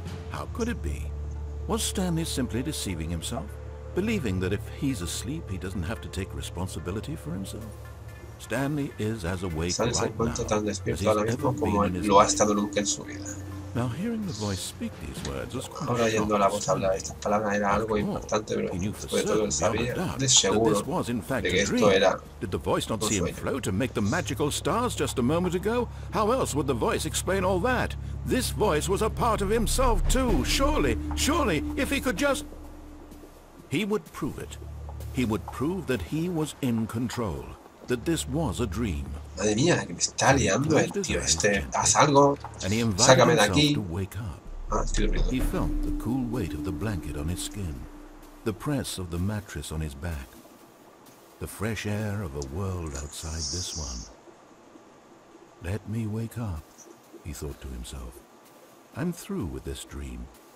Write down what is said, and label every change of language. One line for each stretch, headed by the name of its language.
English: How could it be? Was Stanley simply deceiving himself, believing that if he's asleep, he doesn't have to take responsibility for himself? Stanley is as awake right now as he's ever been in his life. Now hearing the voice speak these words was quite shocking.
Spanish: Ahora oyendo la voz hablar estas palabras era algo importante, pero después todo él sabía, de seguro, de que esto era un sueño.
English: Did the voice not see him float and make the magical stars just a moment ago? How else would the voice explain all that? This voice was a part of himself too. Surely, surely, if he could just... He would prove it. He would prove that he was in control. That this was a dream.
Spanish: Madre mía, que me está liando el tío este. Haz algo, sácame de aquí. Ah,
English: he felt the cool weight of the blanket on his skin, the press of the mattress on his back, the fresh air of a world outside this one. Let me wake up, he thought to himself. I'm through with this dream.